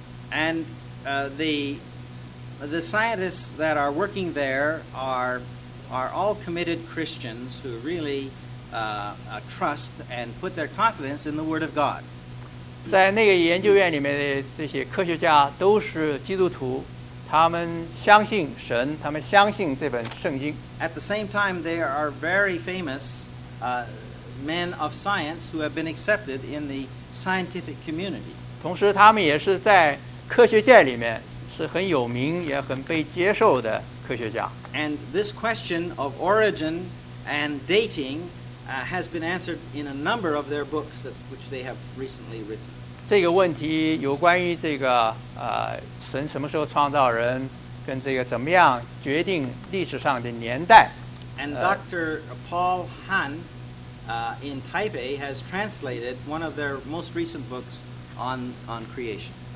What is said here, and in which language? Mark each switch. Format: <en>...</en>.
<en>And the scientists that are working there are all committed Christians who really trust and put their confidence in the Word of God.</en> <zh>在那个研究院里面的这些科学家都是基督徒。他们相信神，他们相信这本圣经。</zh> <en>At the same time, there are very famous men of science who have been accepted in the scientific community.</en> <zh>同时，他们也是在科学界里面是很有名也很被接受的科学家。</zh> <en>And this question of origin and dating has been answered in a number of their books that, which they have recently written.</en> <zh>这个问题有关于这个神什么时候创造人，跟这个怎么样决定历史上的年代。</zh> <en>And Dr. Paul Han in Taipei has translated one of their most recent books on creation.</en>